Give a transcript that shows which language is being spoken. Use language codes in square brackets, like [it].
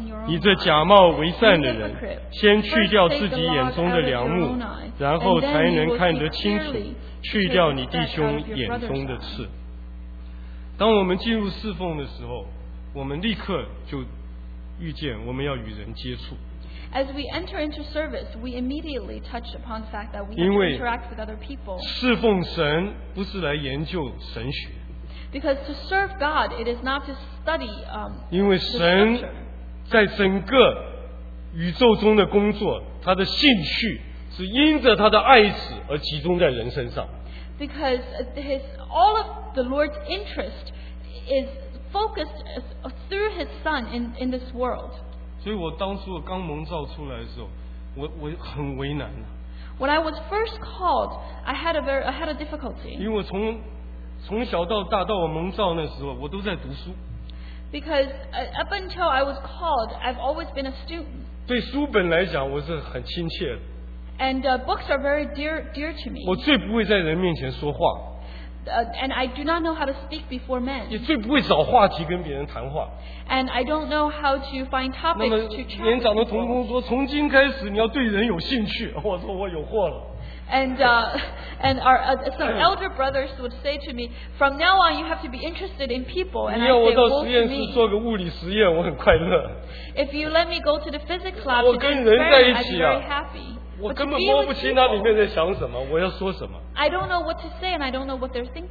[zh] 你这假冒为善的人，先去掉自己眼中的良木，然后才能看得清楚，去掉你弟兄眼中的刺。当我们进入侍奉的时候，我们立刻就遇见我们要与人接触。 [en] As we enter into service, we immediately touch upon the fact that we have to interact with other people. [zh] 侍奉神不是来研究神学。 [en] Because to serve God, it is not to study. [zh] 因为神在整个宇宙中的工作，他的兴趣是因着他的爱子而集中在人身上。 [en] Because all of the Lord's interest is focused through His Son in this world. [zh] 所以我当初刚蒙召出来的时候，我很为难。 [en] When I was first called, I had a difficulty. [zh] 因为从小到大到我蒙召那时候，我都在读书。 [en] Because up until I was called, I've always been a student. [zh] 对书本来讲，我是很亲切的。 [en] And books are very dear to me. [zh] 我最不会在人面前说话。 [en] And I do not know how to speak before men. [zh] 也最不会找话题跟别人谈话。 [en] And I don't know how to find topics to chat. [zh] 那么年长的同工说，从今开始你要对人有兴趣。我说我有祸了。 [en] And some elder brothers would say to me, from now on you have to be interested in people. And I say, well, to me, [zh] 做个物理实验我很快乐, [en] if you let me go to the physics lab, [zh] 我跟人在一起啊, [en] I'd be very happy. [zh] 我根本摸不清他里面在想什么，我要说什么。 [en] I don't know what to say and I don't know what they're thinking.